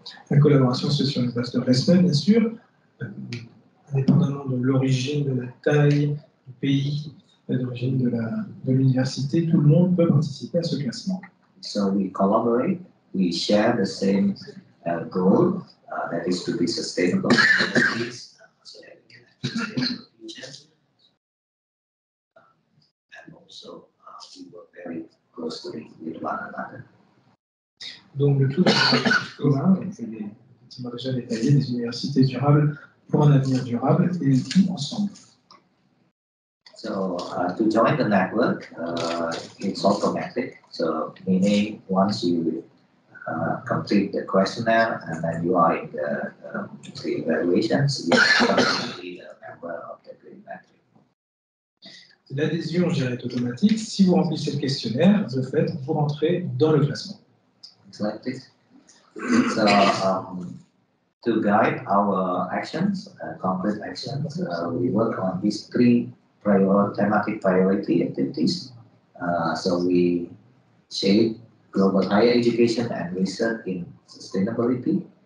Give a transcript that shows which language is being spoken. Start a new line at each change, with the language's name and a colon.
French: La collaboration, c'est sur une base de respect, bien sûr, indépendamment de l'origine, de la taille, du pays, d'origine de l'université, tout le monde peut participer à ce classement.
English: So we collaborate, we share the same goal, that is to be sustainable. And also, we work very closely with one another.
French: Donc, le tout commun, c'est des déjà détaillé, des universités durables pour un avenir durable et tout ensemble.
English: So, to join the network, it's automatic. So, meaning once you complete the questionnaire and then you are in the evaluations, you are a member of the Green Matrix.
French: L'adhésion, je dirais, est automatique. Si vous remplissez le questionnaire, de fait, vous rentrez dans le classement.
English: Like this. So, to guide our actions, concrete actions, we work on these three thematic priority activities. So we shape global higher education and research in sustainability.